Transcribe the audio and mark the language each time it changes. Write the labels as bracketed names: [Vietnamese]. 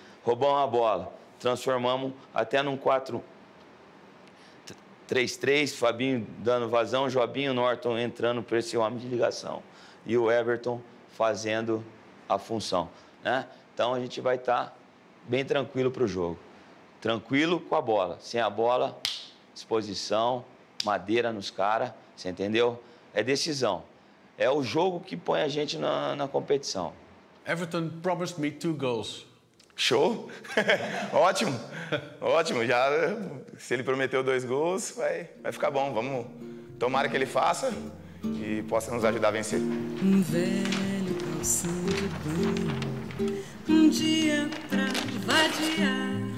[Portuguese] Roubamos a bola, transformamos até num 4-3-3, Fabinho dando vazão, Jobinho, Norton entrando para esse homem de ligação e o Everton fazendo a função, né? Então a gente vai estar bem tranquilo para o jogo. Tranquilo com a bola. Sem a bola, exposição, madeira nos caras, você entendeu? É decisão. É o jogo que põe a gente na competição. [English] Everton promised me 2 goals. [Portuguese] Show? Ótimo. Ótimo. Já, se ele prometeu 2 gols, vai ficar bom. Vamos. Tomara que ele faça e possa nos ajudar a vencer. Um velho calção de banho, um dia pra vadiar.